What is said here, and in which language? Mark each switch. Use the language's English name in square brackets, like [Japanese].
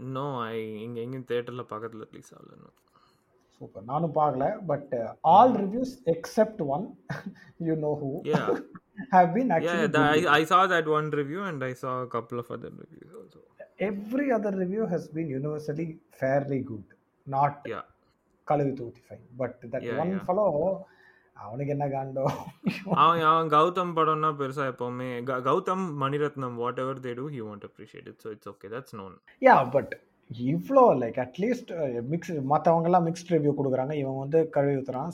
[English] No, I [Tamil] இங்க எங்க தியேட்டர்ல பார்க்கல, ப்ளீஸ் ஆல்ல. [English] super, [Tamil] நானும் பார்க்கல, [English] But all reviews except one, you know who, yeah, have been actually, yeah, I saw that one review and I saw a couple of other reviews also. Every other review has been universally fairly good, not yeah [Tamil] கழுவி தூத்தி [English] fine, but that yeah, one yeah fellow, [Tamil] அவனுக்கு என்ன condo? அவன் அவன் கௌதம் படம்னா பெருசா எப்பவுமே [English] Gautham Mani Ratnam, whatever they do he want appreciate it, so it's okay, that's known. [Tamil] Yeah, but இவ்ளோ [English] like at least mix, [Tamil] மத்தவங்க எல்லாம் மிக்ஸ்ட் ரிவ்யூ கொடுக்குறாங்க, இவன் வந்து கழுவி ஊத்துறான்.